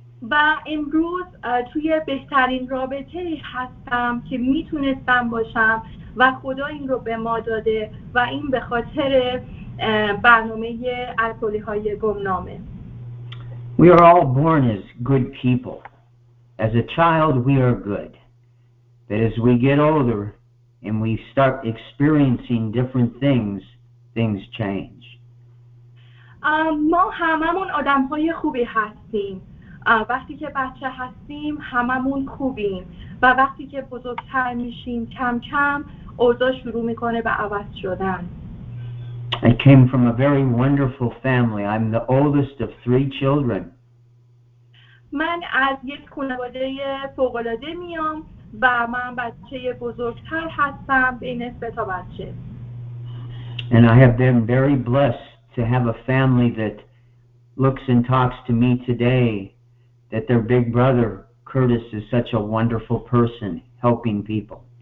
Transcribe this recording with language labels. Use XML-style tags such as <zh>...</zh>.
<fa>و امروز توی بهترین رابطه هستم که میتونستم باشم و خدا این رو به ما داده و این به خاطر برنامه الکلی های گمنامه.</fa> <en>We are all born as good people. As a child we are good. But as we get older and we start experiencing different things, things change.</en> <fa>ما هممون آدم های خوبی هستیم. وقتی که بچه هستیم هممون خوبیم و وقتی که بزرگتر میشیم کم کم اوضاع شروع میکنه به عوض شدن.</fa> <en>I came from a very wonderful family. I'm the oldest of three children.</en> <fa>من از یک خانواده فوق‌العاده میام و من بچه بزرگتر هستم بین سه تا بچه.</fa> <en>And I have been very blessed to have a family that looks and talks to me today. That their big brother Curtis is such a wonderful person helping people.</en>